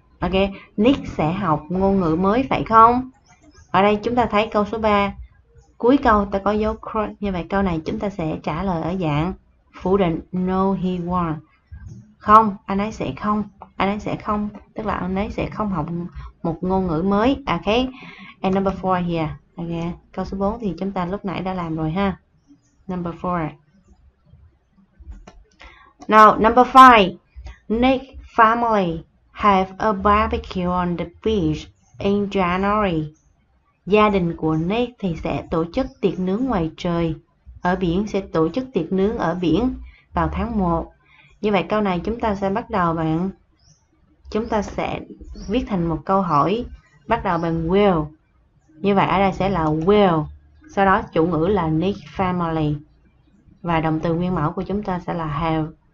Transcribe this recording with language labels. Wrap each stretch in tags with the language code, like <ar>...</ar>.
<vi>Ok, Nick sẽ học ngôn ngữ mới phải không? Ở đây chúng ta thấy câu số 3, cuối câu ta có dấu cross, như vậy câu này chúng ta sẽ trả lời ở dạng phủ định,</vi> <en>no he won't.</en> <vi>Không, anh ấy sẽ không. Anh ấy sẽ không, tức là anh ấy sẽ không học một ngôn ngữ mới. Ok.</vi> <en>And number 4 here.</en> <vi>Ok. Câu số 4 thì chúng ta lúc nãy đã làm rồi ha.</vi> <en>Number 4. Now, number 5. Nick family have a barbecue on the beach in January.</en> <vi>Gia đình của Nick thì sẽ tổ chức tiệc nướng ngoài trời ở biển, sẽ tổ chức tiệc nướng ở biển vào tháng 1. Như vậy câu này chúng ta sẽ bắt đầu bằng, chúng ta sẽ viết thành một câu hỏi bắt đầu bằng will. Như vậy ở đây sẽ là will, sau đó chủ ngữ là Nick family và động từ nguyên mẫu của chúng ta sẽ là have</vi>